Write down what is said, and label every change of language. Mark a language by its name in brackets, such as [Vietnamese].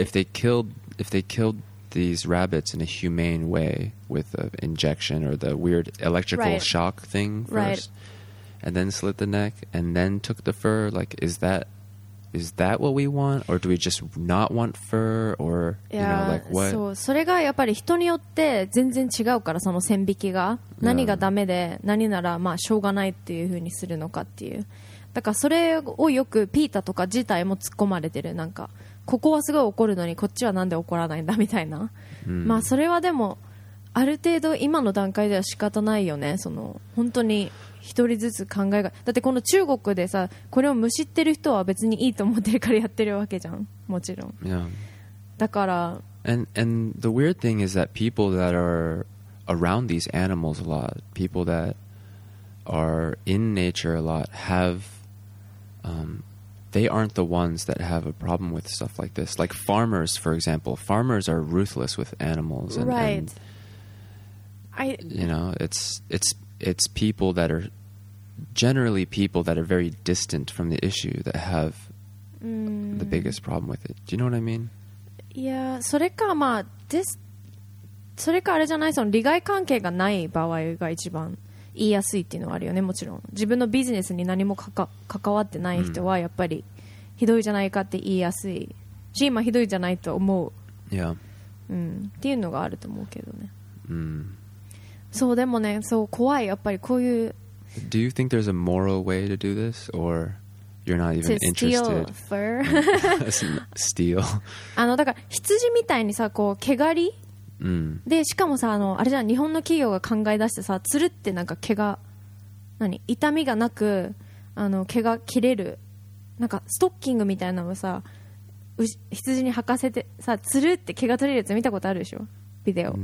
[English] if they killed these rabbits in a humane way with an injection or the weird electrical right. shock thing first, right. and then slit the neck and then took the fur, like is that what we want, or do we just not want fur, or yeah, you know, like what? [Japanese] So, それがやっぱり人によって全然違うから、その線引きが、yeah. 何がダメで何ならまあしょうがないっていう風にするのかっていう。だからそれをよくピーターとか自体も突っ込まれてる。なんかここはすごい怒るのにこっちはなんで怒らないんだみたいな。 Mm. まあそれはでもある程度今の段階では仕方ないよね。その本当に一人ずつ考えが、だってこの中国でさ、これをむしってる人は別にいいと思ってるからやってるわけじゃん、もちろん。 [English] Yeah. [Japanese] だから。 [English] And the weird thing is that people that are around these animals a lot, people that are in nature a lot, have, they aren't the ones that have a problem with stuff like this. Like farmers, for example, farmers are ruthless with animals. And, right. You know, it's people that are generally people that are very distant from the issue that have the biggest problem with it. Do you know what I mean? [Japanese] Yeah, それかまあ、それかあれじゃない、その利害関係がない場合が一番言いやすいっていうのはあるよね、もちろん。自分のビジネスに何も関わってない人はやっぱりひどいじゃないかって言いやすい。し、今ひどいじゃないと思う。 [English] Yeah. うん。 [Japanese] っていうのがあると思うけどね。そうでもね、そう怖い、やっぱりこういう。 [English] Do you think there's a moral way to do this? Or... You're not even interested. To steal fur. steal. [Japanese] あのだから羊みたいにさ、こう毛刈り、でしかもさ、あのあれじゃん、日本の企業が考え出してさ、つるってなんか毛が何痛みがなく、あの毛が切れる、なんかストッキングみたいなのをさ、羊に履かせてさ、つるって毛が取れるやつ見たことあるでしょ、ビデオ。